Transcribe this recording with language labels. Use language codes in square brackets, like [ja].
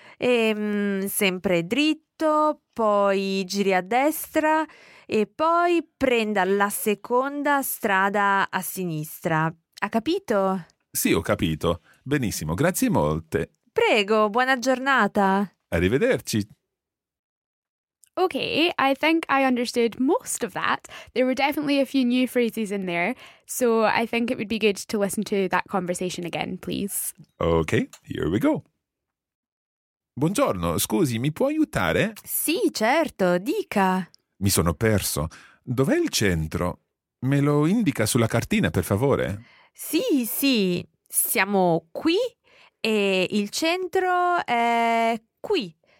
[it] Sempre dritto, poi giri a destra e poi prenda la seconda strada a sinistra. Ha capito? Sì, ho capito. Benissimo, grazie molte. Prego, buona giornata. Arrivederci. [en] Okay, I think I understood most of that. There were definitely a few new phrases in there, so I think it would be good to listen to that conversation again, please. Okay, here we go. [it] Buongiorno, scusi, mi può aiutare? Sì, certo, dica. Mi sono perso. Dov'è il centro? Me lo indica sulla cartina, per favore. Sì, sì, siamo qui e il centro è qui.